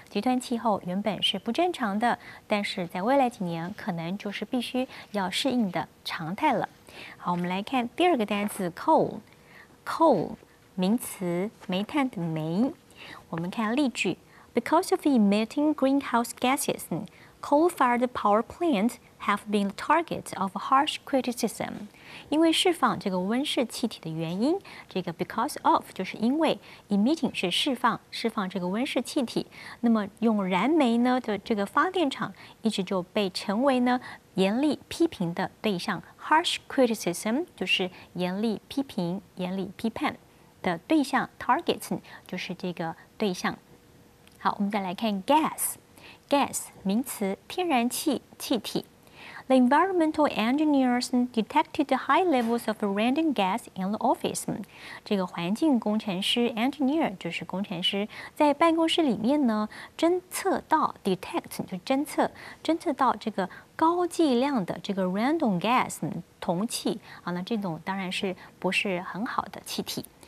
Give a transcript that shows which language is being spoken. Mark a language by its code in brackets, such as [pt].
[zh] 极端气候原本是不正常的，但是在未来几年可能就是必须要适应的常态了。好，我们来看第二个单词 ，coal， 名词，煤炭的煤。我们看例句 [en] ，Because of emitting greenhouse gases, coal-fired power plants have been the target of harsh criticism. [zh] 因为释放这个温室气体的原因，这个 because of 就是因为 emitting 是释放这个温室气体。那么用燃煤呢的这个发电厂一直就被成为呢严厉批评的对象 ，harsh criticism 就是严厉批评、严厉批判。的对象 target 就是这个对象。好，我们再来看 gas 名词，天然气气体。 [en] The environmental engineers detected high levels of radon gas in the office. [zh] 这个环境工程师 engineer 就是工程师，在办公室里面呢，侦测到 detect 就侦测到这个高剂量的这个 radon gas 铜气啊，那这种当然是不是很好的气体。